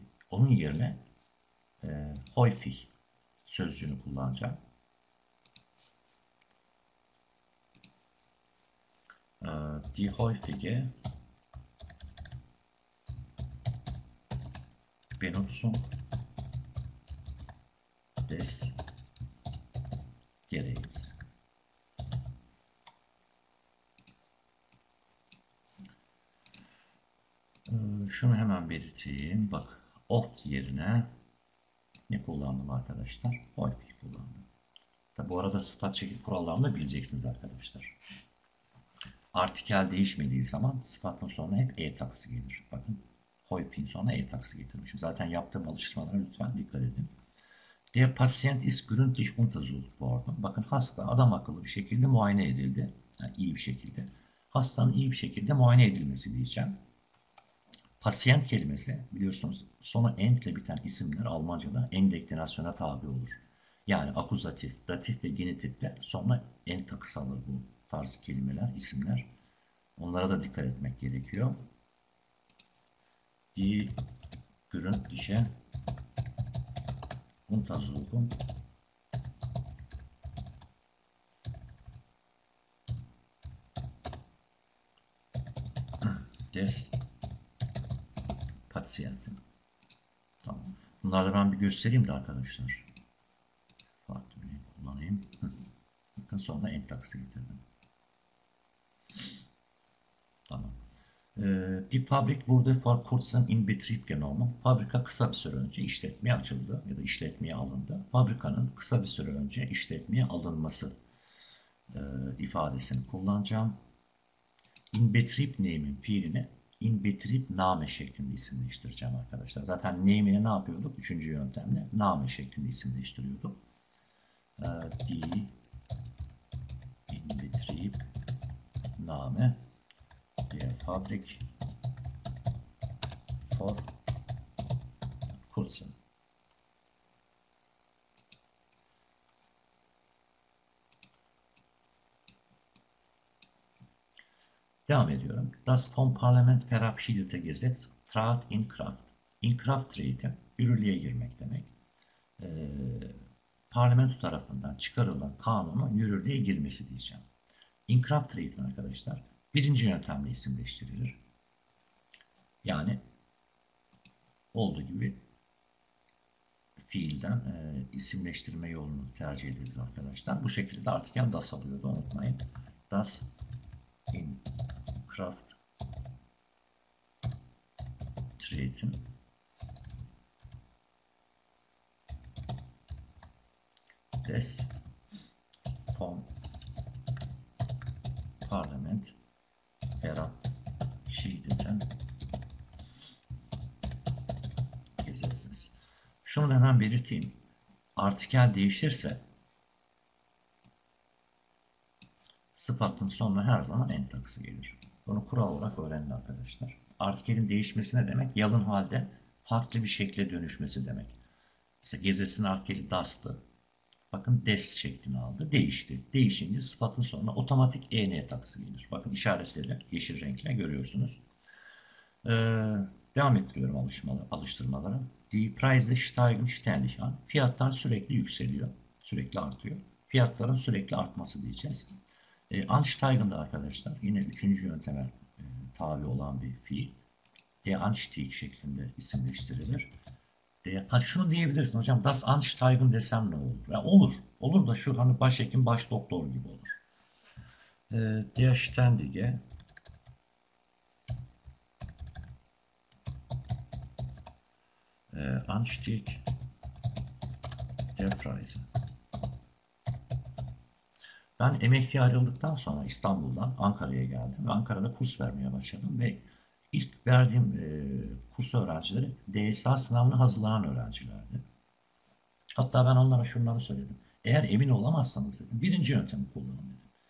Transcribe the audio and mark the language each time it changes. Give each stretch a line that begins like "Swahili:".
Turkish: Onun yerine häufig sözcüğünü kullanacağım.
German: Die häufige Benutzung des Geräts.
Turkish: Şunu hemen belirteyim. Bak, oft yerine ne kullandım arkadaşlar? Häufig kullandım. Tabi bu arada sıfat şekil kurallarını da bileceksiniz arkadaşlar. Artikel değişmediği zaman sıfatın sonuna hep e taksı gelir. Bakın häufig'in sonuna e taksı getirmişim. Zaten yaptığım alıştırmalara lütfen dikkat edin.
German: Der Patient ist gründlich untersucht worden.
Turkish: Bakın hasta adam akıllı bir şekilde muayene edildi. Yani iyi bir şekilde. Hastanın iyi bir şekilde muayene edilmesi diyeceğim. Patient kelimesi biliyorsunuz sonu ent'le biten isimler Almanca'da endeklinasyona tabi olur. Yani akuzatif, datif ve genitif de sonuna ent takısı alır bu tarz kelimeler, isimler. Onlara da dikkat etmek gerekiyor.
German: Die gründliche Untersuchung des Patienten.
Turkish: Tamam. Bunları da ben bir göstereyim de arkadaşlar. Kullanayım. Bakın sonra en taksi getirdim. Tamam.
German: Die Fabrik wurde vor kurzem in Betrieb genommen.
Turkish: Fabrika kısa bir süre önce işletmeye açıldı ya da işletmeye alındı. Fabrikanın kısa bir süre önce işletmeye alınması ifadesini kullanacağım. In Betrieb nehmen fiilini in Betrieb name şeklinde isimleştireceğim arkadaşlar. Zaten name'i ne yapıyorduk? Üçüncü yöntemle name şeklinde isimleştiriyorduk.
German: Die Betrieb name der Fabrik vor kurzem.
Turkish: Devam ediyorum.
German: Das vom Parlament verabschiedete Gesetz trat in Kraft.
Turkish: In Kraft treten, yürürlüğe girmek demek. Parlamento tarafından çıkarılan kanunun yürürlüğe girmesi diyeceğim. In Kraft treten arkadaşlar birinci yöntemle isimleştirilir. Yani olduğu gibi fiilden isimleştirme yolunu tercih ederiz arkadaşlar. Bu şekilde artık yani das alıyordu unutmayın.
German: Das in Kraft treten. Des vom Parlament verabschiedeten Gesetzes.
Turkish: Şunu da hemen belirteyim. Artikel değişirse sıfatın sonuna her zaman en takısı gelir. Bunu kural olarak öğrenin arkadaşlar. Artikelin değişmesi ne demek? Yalın halde farklı bir şekle dönüşmesi demek. Mesela Gezes'in artikeli das'tı. Bakın des şeklini aldı. Değişti. Değişince sıfatın sonuna otomatik en takısı gelir. Bakın işaretleri yeşil renkle görüyorsunuz. Devam ettiriyorum alıştırmaları.
German: Die Preise steigen ständig.
Turkish: Fiyatlar sürekli yükseliyor. Sürekli artıyor. Fiyatların sürekli artması diyeceğiz. Ansteigen da arkadaşlar yine üçüncü yönteme tabi olan bir fiil. Der Anstieg şeklinde isimleştirilir. Ha şunu diyebilirsin hocam das ansteigen desem ne olur? Ya olur. Olur da şu hani başhekim baş doktor gibi olur.
German: Der ständige Anstieg der Preise.
Turkish: Ben emekli ayrıldıktan sonra İstanbul'dan Ankara'ya geldim ve Ankara'da kurs vermeye başladım ve ilk verdiğim kurs öğrencileri DSA sınavına hazırlanan öğrencilerdi. Hatta ben onlara şunları söyledim. Eğer emin olamazsanız dedim, birinci yöntemi kullanın dedim.